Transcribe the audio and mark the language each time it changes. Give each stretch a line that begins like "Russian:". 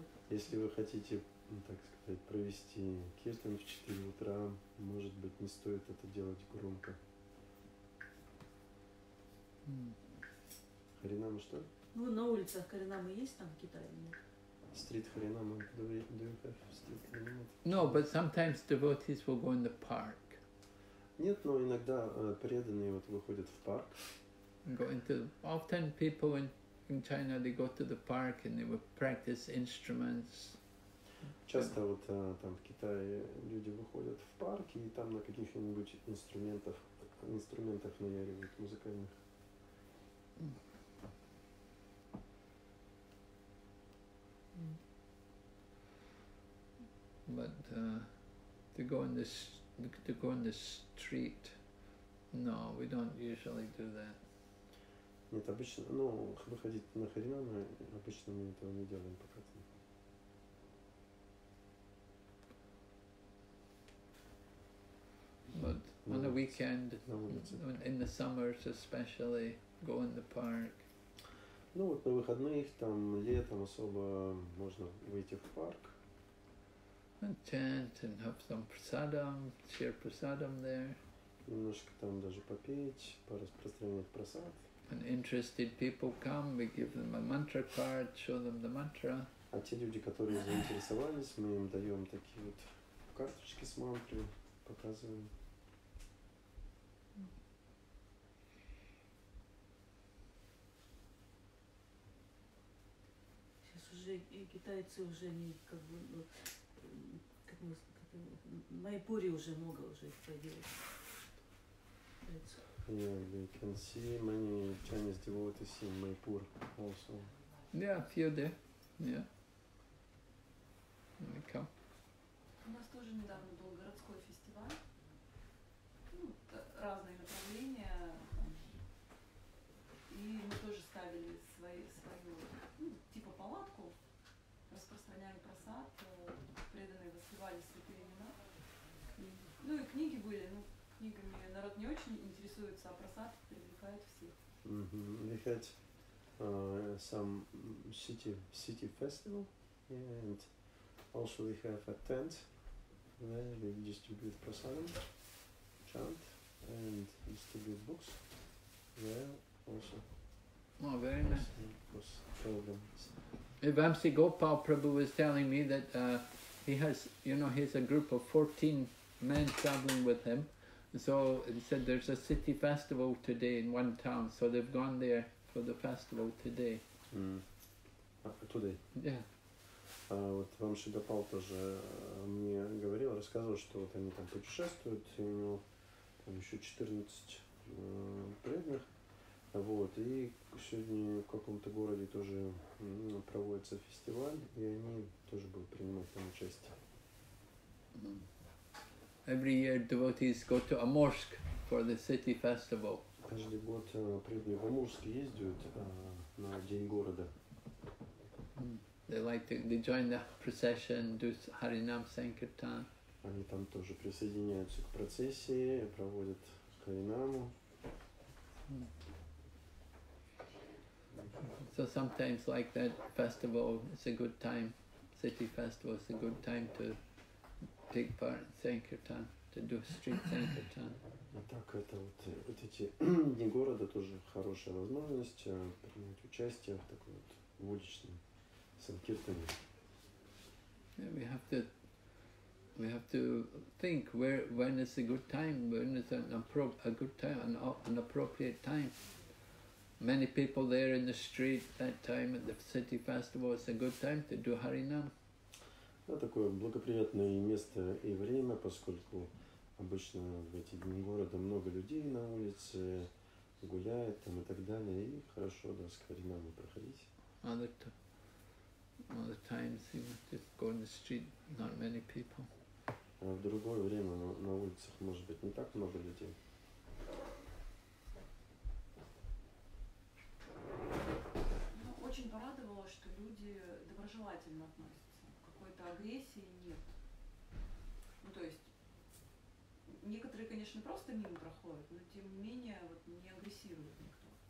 Russian: Если вы хотите, так сказать, провести киртан в 4 утра, может быть, не стоит это делать громко. Харинама что? Ну, на улицах Харинама есть там в Китае?
English: Street Harinama, do you have street Harinama? No, but sometimes devotees will go in the park.
Russian: Нет, но иногда преданные вот выходят в парк.
English: Often people in China they go to the park and they will practice instruments.
Russian: Часто вот там в Китае люди выходят в парк и там на каких-нибудь инструментах наяривают музыкальных.
English: But to go on the street, no, we don't usually do that.
Russian: Нет, обычно, ну, выходить на харинаму, обычно мы этого не делаем пока.
English: But on the weekend, in the summers especially, go in the park.
Russian: Ну вот на выходных, там летом особо можно выйти в парк.
English: And chant and have some prasadam, share prasadam there.
Russian: Немножко там даже попеть, пораспространять прасад.
English: And interested people come, we give them a mantra card, show them the mantra.
Russian: А те люди, которые заинтересовались, мы им даем такие вот карточки с мантрой, показываем. И китайцы уже не как бы, ну, как мы, как в Майпуре уже много уже появилось.
English: Yeah, we can see many Chinese devotees in Майпур also. Yeah, a few there. Yeah. They come.
Russian: У нас тоже недавно был городской фестиваль. Ну, разные направления. И мы тоже ставили свою, ну, типа палатку. Распространяли просад, преданные воспевали святые имена. Ну и книги были, ну, книгами народ не очень интересуется, а просад привлекает всех. Mm-hmm.
English: We had some city festival, and also we have a tent where we distribute prasad, chant, and distribute books there also. Oh, very nice. Also, of course, pilgrims. Vamsi Gopal Prabhu was telling me that he has a group of 14 men traveling with him. So he said there's a city festival today in one town, so they've gone there for the festival today. Today? Yeah.
Russian: Вот Vamsi Gopal тоже мне говорил, рассказывал, что вот они там путешествуют, и у него там еще 14 преданных. Вот, и сегодня в каком-то городе тоже проводится фестиваль, и они тоже будут принимать там участие.
English: Every year devotees go to Amursk for the city festival.
Russian: Каждый год преданные в Амурск ездят на день города.
English: They like to join the procession, do Харинам Санкиртан.
Russian: Они там тоже присоединяются к процессии, проводят Харинаму.
English: So sometimes, like that festival, it's a good time. City festival is a good time to take part in sankirtan, to do street sankirtan.
Russian: Так это вот вот эти дни города тоже хорошая возможность принять участие в таком вот уличном санкиртане.
English: We have to think when is a good time, when is an appropriate time. Many people there in the street that time at the city festival, it's a good time to do Harinam.
Russian: Да, такое благоприятное место и время, поскольку обычно в эти дни города много людей на улице, гуляет там и так далее, и хорошо, да, с Харинамой проходить.
English: Other times you just go in the street, not many people.
Russian: А в другое время на улицах может быть не так много людей. Ну, очень порадовало, что люди доброжелательно относятся. Какой-то агрессии нет. Ну, то есть, некоторые, конечно, просто мимо проходят, но тем не менее вот, не агрессируют никто.